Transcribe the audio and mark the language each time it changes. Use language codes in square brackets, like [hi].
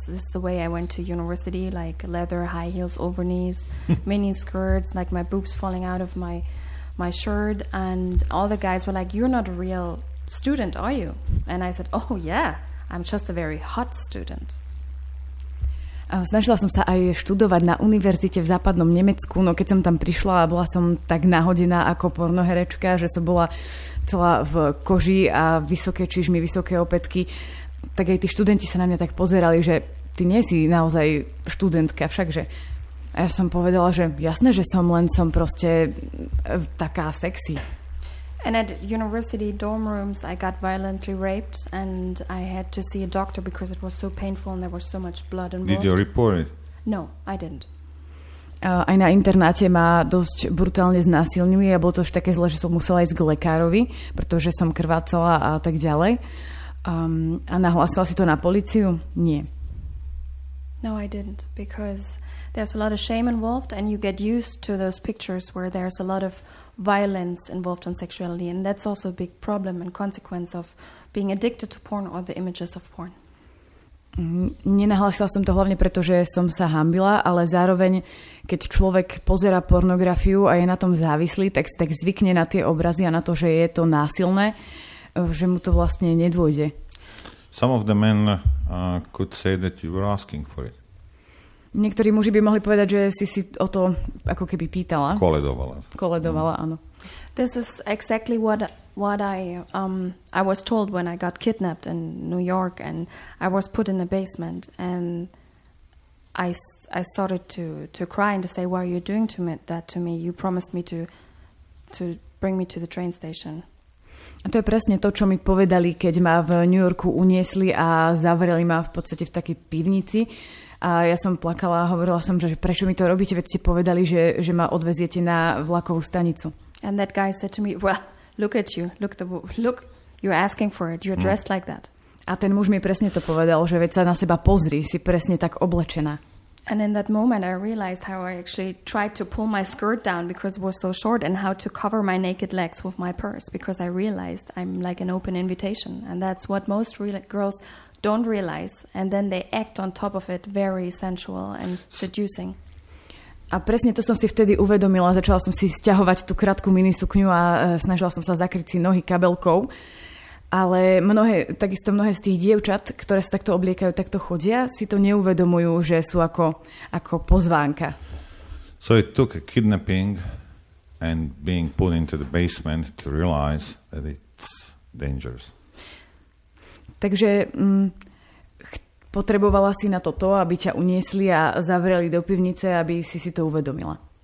[en] This is the way I went to university, like leather, high heels, over knees, mini skirts, like my boobs falling out of my shirt. And all the guys were like, you're not a real student, are you? And I said, oh yeah, I'm just a very hot student. [sk] Snažila som sa aj študovať na univerzite v západnom Nemecku, no keď som tam prišla a bola som tak nahodená ako pornoherečka, že som bola celá v koži a vysoké čižmy, vysoké opätky, tak aj tí študenti sa na mňa tak pozerali, že ty nie si naozaj študentka, všakže. A ja som povedala, že jasné, že som len som proste taká sexy. [en] And at university dorm rooms, I got violently raped and I had to see a doctor because it was so painful and there was so much blood involved. Did you report it? No, I didn't. [sk] Aj na internáte ma dosť brutálne znásilňuje a bolo to až také zle, že som musela ísť k lekárovi, pretože som krvácala a tak ďalej. A nahlásila si to na políciu? Nie. [en] No, I didn't, because there's a lot of shame involved and you get used to those pictures where there's a lot of violence involved in sexuality, and that's also a big problem and consequence of being addicted to porn or the images of porn. [sk] Nenahlásila som to hlavne preto, že som sa hanbila, ale zároveň keď človek pozerá pornografiu a je na tom závislý, tak zvykne na tie obrazy a na to, že je to násilné, že mu to vlastne nedôjde. [en] Some of the men could say that you were asking for it. [sk] Niektorí muži by mohli povedať, že si o to ako keby pýtala. Koledovala, áno. [en] This is exactly what I was told when I got kidnapped in New York and I was put in a basement and I started to cry and to say, why are you doing to me that to me? You promised me to bring me to the train station. [sk] A to je presne to, čo mi povedali, keď ma v New Yorku uniesli a zavreli ma v podstate v takej pivnici. A ja som plakala a hovorila som, že prečo mi to robíte, veď ste povedali, že ma odveziete na vlakovú stanicu. [en] And that guy said to me, well, look at you, look, you're asking for it, you're dressed like that. [sk] A ten muž mi presne to povedal, že veď sa na seba pozri, si presne tak oblečená. [en] And in that moment I realized how I actually tried to pull my skirt down because it was so short and how to cover my naked legs with my purse because I realized I'm like an open invitation and that's what most girls don't realize and then they act on top of it very sensual and seducing. [sk] A presne to som si vtedy uvedomila, začala som si sťahovať tú krátku minisukňu a snažila som sa zakryť si nohy kabelkou. Ale mnohé z tých dievčat, ktoré sa takto obliekajú, takto chodia, si to neuvedomujú, že sú ako pozvánka. [en] So it took a kidnapping and being put into the basement to realize that it's dangerous. [sk] Takže potrebovala si na to, aby ťa uniesli a zavreli do pivnice, aby si to uvedomila.